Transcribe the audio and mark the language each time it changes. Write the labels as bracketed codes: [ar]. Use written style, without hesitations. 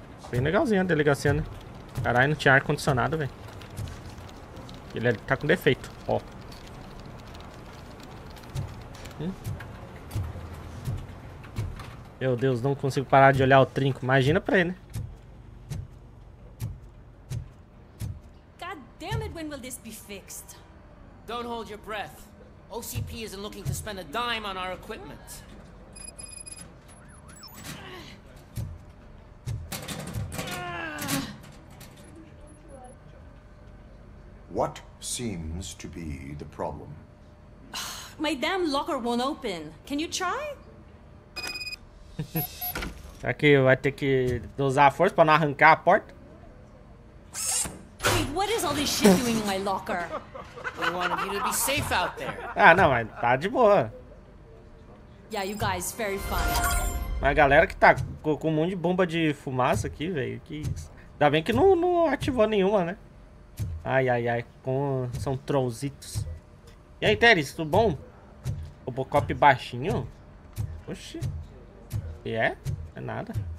[pt] Bem legalzinho a delegacia, né? Caralho, não tinha ar-condicionado, velho. Ele tá com defeito, ó. Meu Deus, não consigo parar de olhar o trinco. Imagina pra ele, né? [en] God damn it, when will this be fixed? Don't hold your breath. OCP isn't looking to spend a dime on our equipment. What seems to be the problem? My damn locker won't open. Can you try? [pt] Será que vai ter que usar a força para não arrancar a porta? [en] Wait, what is all this shit doing in my locker? I wanted you to be safe out there. [pt] Ah, não, mas tá de boa. [en] Yeah, you guys, very fine. [pt] Mas a galera que tá com um monte de bomba de fumaça aqui, velho. Que ainda bem que não ativou nenhuma, né? Ai, ai, ai, são trollzitos. E aí, Teres, tudo bom? Robocop baixinho? Oxi. E é? É nada.